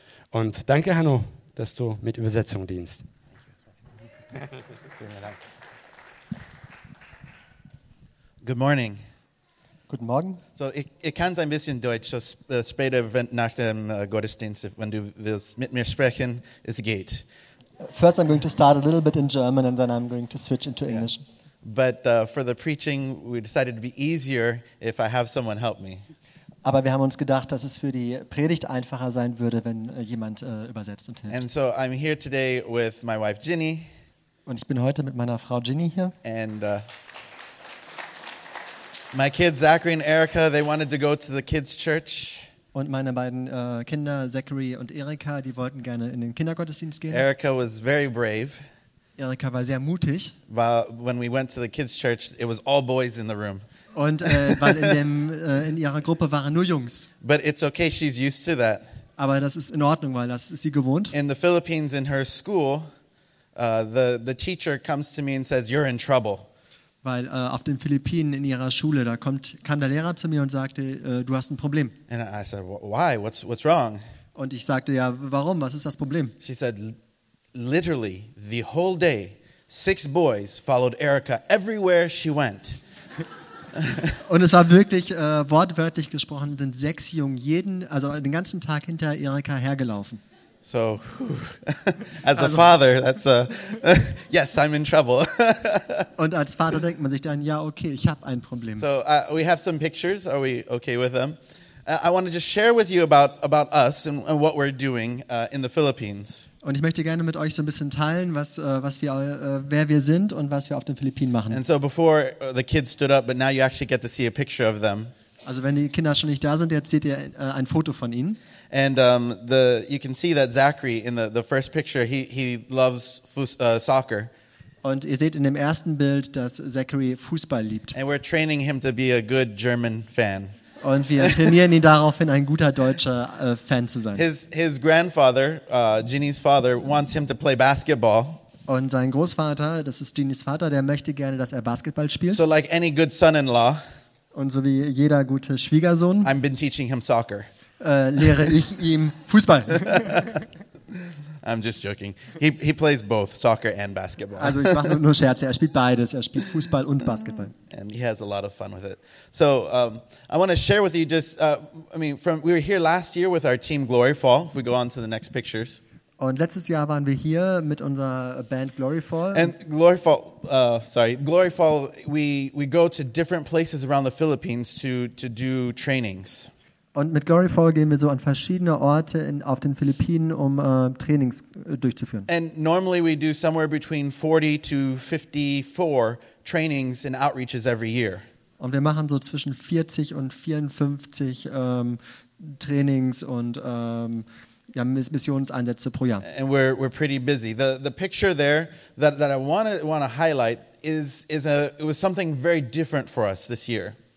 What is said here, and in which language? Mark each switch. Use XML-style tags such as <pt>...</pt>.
<de>Und danke, Hanno, dass du mit Übersetzung dienst.</de> <en>Good morning.</en> <de>Guten Morgen. So, ich kann ein bisschen Deutsch, später nach dem Gottesdienst, wenn du willst mit mir sprechen, es geht.</de> <en>First I'm going to start a little bit in German and then I'm going to switch into English. Yeah. But for the preaching, we decided to be easier if I have someone help me.</en> <de>Aber wir haben uns gedacht, dass es für die Predigt einfacher sein würde, wenn jemand übersetzt und hilft.</de> <en>And so I'm here today with my wife Ginny.</en> <de>Und ich bin heute mit meiner Frau Ginny hier.</de> <en>And my kids Zachary and Erica, they wanted to go to the kids' church.</en> <de>Und meine beiden Kinder Zachary und Erica, die wollten gerne in den Kindergottesdienst gehen.</de> <en>Erica was very brave.</en> <de>Erika war sehr mutig.</de> <en>Well, when we went to the kids church, it was all boys in the room.</en> <de>Und weil in ihrer Gruppe waren nur Jungs.</de> <en>But it's okay, she's used to that.</en> <de>Aber das ist in Ordnung, weil das ist sie gewohnt.</de> <en>In the Philippines in her school, the teacher comes to me and says you're in trouble.</en> <de>Weil auf den Philippinen in ihrer Schule, da kam der Lehrer zu mir und sagte, du hast ein Problem.</de> <en>And I said, why? What's wrong?</en> <de>Und ich sagte, ja, warum? Was ist das Problem?</de> <en>She said, literally the whole day, 6 boys followed Erica everywhere she went.</en> <de>Und es war wirklich wortwörtlich gesprochen, sind 6 Jungen den ganzen Tag hinter Erica hergelaufen.</de> <en>So, as a father, that's a yes, I'm in trouble.</en> <de>Und als Vater denkt man sich dann, ja, okay, ich habe ein Problem.</de> <en>So, we have some pictures. Are we okay with them? I want to just share with you about us and what we're doing in the Philippines.</en> <de>Und ich möchte gerne mit euch so ein bisschen teilen, wer wir sind und was wir auf den Philippinen machen.</de> <en>And so before the kids stood up, but now you actually get to see a picture of them.</en> <de>Also wenn die Kinder schon nicht da sind, jetzt seht ihr ein Foto von ihnen.</de> <en>And you can see that Zachary in the first picture, he loves soccer.</en> <de>Und ihr seht in dem ersten Bild, dass Zachary Fußball liebt.</de> <en>And we're training him to be a good German fan.</en> <de>Und wir trainieren ihn daraufhin, ein guter deutscher Fan zu sein.</de> <en>His grandfather, Ginny's father, wants him to play basketball.</en> <de>Und sein Großvater, das ist Ginny's Vater, der möchte gerne, dass er Basketball spielt.</de> <en>So like any good son-in-law.</en> <de>Und so wie jeder gute Schwiegersohn.</de> <en>I've been teaching him soccer.</en> <de>Lehre ich ihm Fußball.</de> <en>I'm just joking. He plays both soccer and basketball.</en> <de>Also ich mache nur Scherze. Er spielt beides. Er spielt Fußball und Basketball.</de> <en>And he has a lot of fun with it. So I want to share with you we were here last year with our team Glory Fall. If we go on to the next pictures.</en> <de>Und letztes Jahr waren wir hier mit unserer Band Glory Fall.</de> <en>And Glory Fall, Glory Fall. We go to different places around the Philippines to do trainings.</en> <de>Und mit Glory Fall gehen wir so an verschiedene Orte auf den Philippinen, um Trainings durchzuführen.</de> <en>And normally we do somewhere between 40 to 54 trainings and outreaches every year.</en> <de>Und wir machen so zwischen 40 und 54 Trainings und Missionseinsätze pro Jahr.</de> <en>And we're pretty busy. The picture there that I want to highlight it was something very different for us this year.</en>